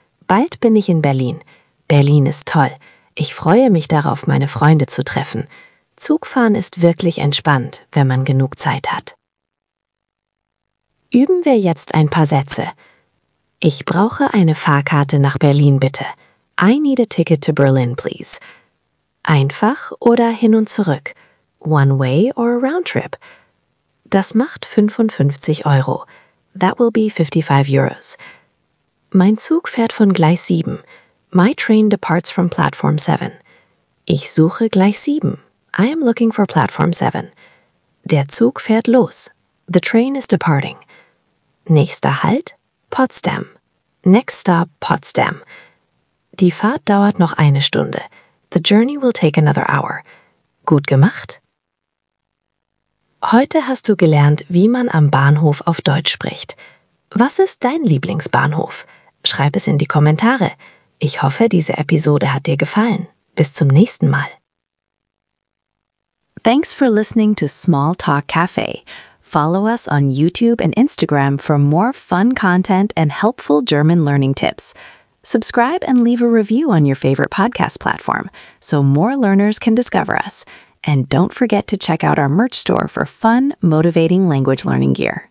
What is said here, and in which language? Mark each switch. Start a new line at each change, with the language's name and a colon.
German: Bald bin ich in Berlin. Berlin ist toll. Ich freue mich darauf, meine Freunde zu treffen. Zugfahren ist wirklich entspannt, wenn man genug Zeit hat. Üben wir jetzt ein paar Sätze. Ich brauche eine Fahrkarte nach Berlin, bitte.
English: I need a ticket to Berlin, please.
German: Einfach oder hin und zurück.
English: One way or a round trip.
German: Das macht 55 Euro.
English: That will be 55 euros.
German: Mein Zug fährt von Gleis 7.
English: My train departs from platform 7.
German: Ich suche Gleis 7.
English: I am looking for platform 7.
German: Der Zug fährt los.
English: The train is departing.
German: Nächster Halt, Potsdam.
English: Next stop, Potsdam.
German: Die Fahrt dauert noch eine Stunde.
English: The journey will take another hour.
German: Gut gemacht. Heute hast du gelernt, wie man am Bahnhof auf Deutsch spricht. Was ist dein Lieblingsbahnhof? Schreib es in die Kommentare. Ich hoffe, diese Episode hat dir gefallen. Bis zum nächsten Mal.
English: Thanks for listening to Small Talk Cafe. Follow us on YouTube and Instagram for more fun content and helpful German learning tips. Subscribe and leave a review on your favorite podcast platform so more learners can discover us. And don't forget to check out our merch store for fun, motivating language learning gear.